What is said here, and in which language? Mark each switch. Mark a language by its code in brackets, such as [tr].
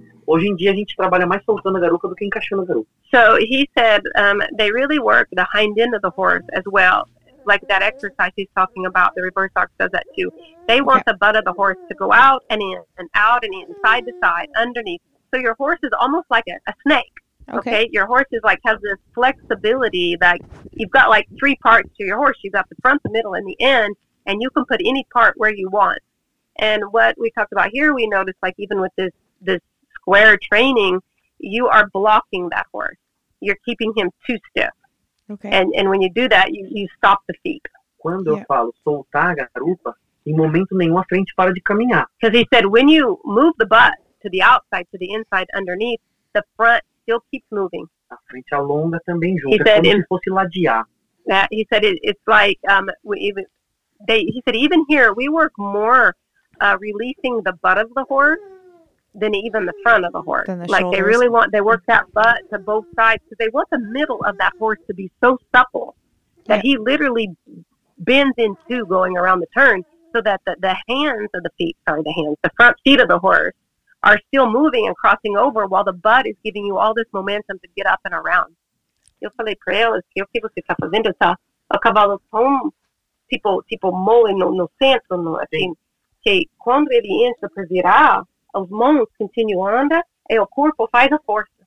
[pt] Hoje em dia a gente trabalha mais soltando a garupa do que encaixando a garupa. [en] So he said they really work the hind end of the horse as well. Like that exercise he's talking about, the reverse arc does that too. They want the butt of the horse to go out and in and out and in, side to side, underneath. So your horse is almost like a snake. Okay, your horse is like has this flexibility that you've got like three parts to your horse. You've got the front, the middle, and the end, and you can put any part where you want. And what we talked about here, we noticed like even with this square training, you are blocking that horse. You're keeping him too stiff. Okay. And when you do that, you stop the feet. [pt] Quando eu falo soltar a garupa, em momento nenhum a frente para de caminhar. [en] Because he said when you move the butt to the outside, to the inside, underneath, the front still keeps moving. [pt] A frente alonga também junto. Se fosse ladear. [en] He said it's like he said even here we work more releasing the butt of the horse than even the front of the horse. The like shoulders. They really want they work that butt to both sides because they want the middle of that horse to be so supple that he literally bends in two going around the turn so that the front feet of the horse are still moving and crossing over while the butt is giving you all this momentum to get up and around. [pt] Eu falei pra eles que o que você tá fazendo tá o cavalo tão tipo mole no centro, no, assim, que quando ele entra pra virar, as mãos continuam andando e o corpo faz a força.